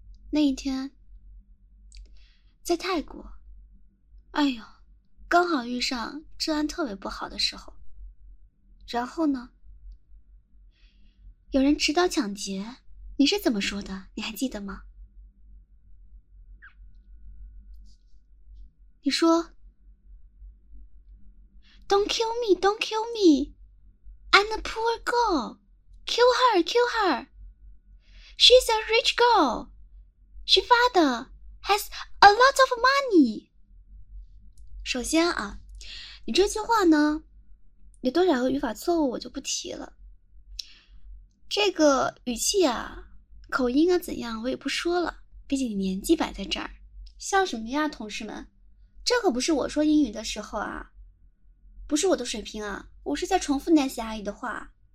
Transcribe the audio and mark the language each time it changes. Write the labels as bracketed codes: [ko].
[zh] 那一天在泰国，哎呦，刚好遇上治安特别不好的时候，然后呢？有人持刀抢劫，你是怎么说的？你还记得吗？ [en] 你说，"Don't kill me, don't kill me, I'm a poor girl. Kill her, kill her. She's a rich girl. She father has a lot of money." [zh] 首先啊，你这句话呢，有多少个语法错误，我就不提了。这个语气啊，口音啊，怎样，我也不说了。毕竟你年纪摆在这儿，笑什么呀，同事们？这可不是我说英语的时候啊，不是我的水平啊，我是在重复 Nancy 阿姨的话。